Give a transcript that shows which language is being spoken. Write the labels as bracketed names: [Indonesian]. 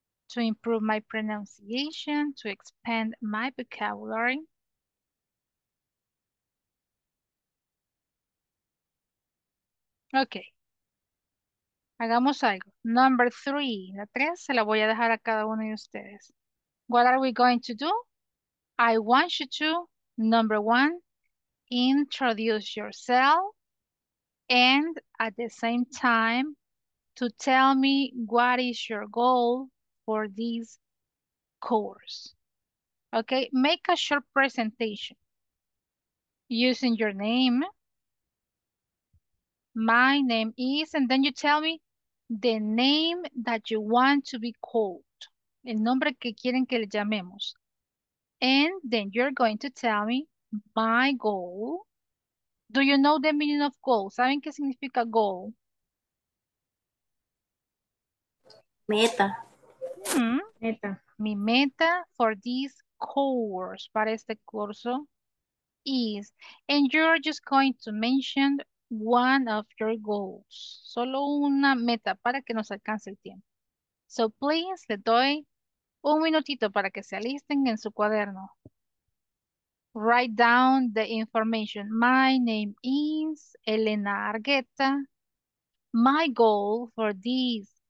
[English] To improve my pronunciation, to expand my vocabulary. Okay. [Spanish] Hagamos algo. [English] Number three. [Spanish] La tres se la voy a dejar a cada uno de ustedes. [English] What are we going to do? I want you to, number one, introduce yourself and at the same time to tell me what is your goal for this course. Okay, make a short presentation using your name. My name is, and then you tell me the name that you want to be called, [Spanish] el nombre que quieren que le llamemos. [English] And then you're going to tell me my goal. Do you know the meaning of goal? [Spanish] ¿Saben qué significa goal? Meta. Meta. Mi meta [English] for this course, [Spanish] para este curso, [English] is, and you're just going to mention one of your goals. [Spanish] Solo una meta para que nos alcance el tiempo. [English] So please, [Spanish] le doy un minutito para que se alisten en su cuaderno. [English] Write down the information. My name is Elena Argueta. My goal for this